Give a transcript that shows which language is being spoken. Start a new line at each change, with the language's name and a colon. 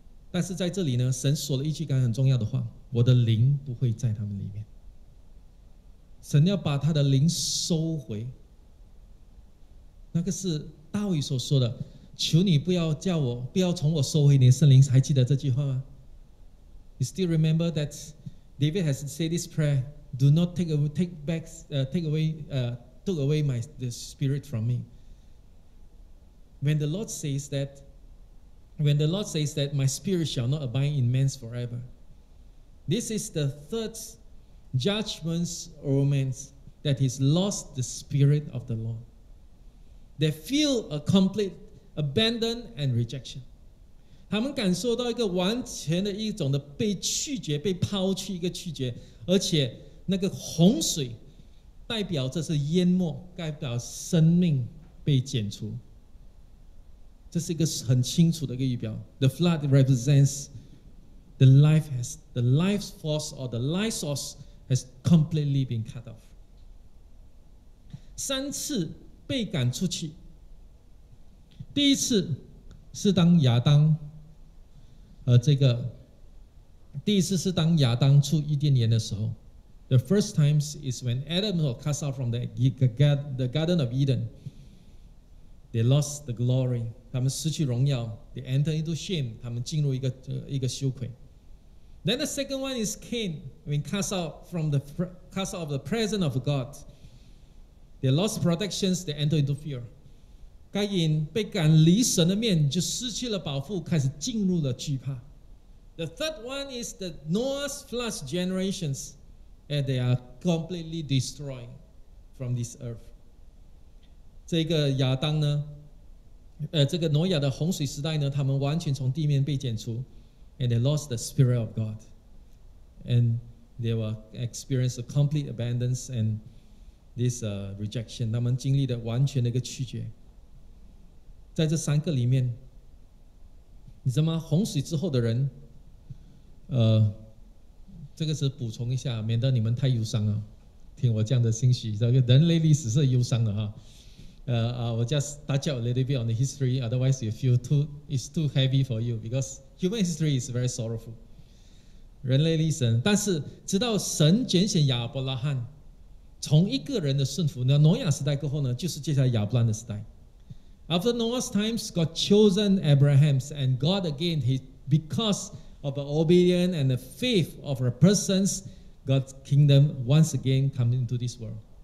Chinese: 但是在这里呢，神说了一句很重要的话：“我的灵不会在他们里面。” 神要把他的灵收回。那个是大卫所说的：“求你不要叫我，不要从我收回你的圣灵。” 还记得这句话吗 ？
English: You still remember that David has said this prayer: "Do not take away my the spirit from me." When the Lord says that my spirit shall not abide in man forever, this is the third judgment of man that he's lost the spirit of the Lord. They feel a complete abandon and rejection.
Chinese: 他们感受到一个完全的一种的被拒绝，被抛弃一个拒绝，而且那个洪水。代表这是淹没，代表生命被剪除。这是一个很清楚的一个预表。
English: The flood represents the life force or the life source has completely been cut off.
Chinese: 三次被赶出去。第一次是当亚当，第一次是当亚当出伊甸园的时候。
English: The first time is when Adam was cast out from the Garden of Eden. They lost the glory.
Chinese: 他们失去荣耀。
English: They enter into shame.
Chinese: 他们进入一个羞愧。
English: Then the second one is Cain, when cast out from the cast out of the presence of God. They lost protections, they enter into fear.
Chinese: 该隐被赶离神的面，就失去了保护，开始进入了惧怕。
English: The third one is the Noah's flood generations, and they are completely destroyed from this earth.
Chinese: 这个亚当呢，这个挪亚的洪水时代呢，他们完全从地面被剪除。
English: And they lost the Spirit of God. And they were experienced a complete abundance and this rejection.
Chinese: 他们经历了完全的一个拒绝。在这三个里面，你知道吗？洪水之后的人，这个是补充一下，免得你们太忧伤了。听我这样的信息，这个人类历史是忧伤的哈。我
English: just touch a little bit on the history, otherwise you feel too, it's too heavy for you, because human history is very sorrowful.
Chinese: 人类历史，但是直到神拣选亚伯拉罕，从一个人的顺服，那挪亚时代过后呢，就是接下来亚伯拉罕的时代。
English: After Noah's times, God chosen Abraham's, and God again, he, because of the obedience and the faith of a person's, God's kingdom once again comes into this world.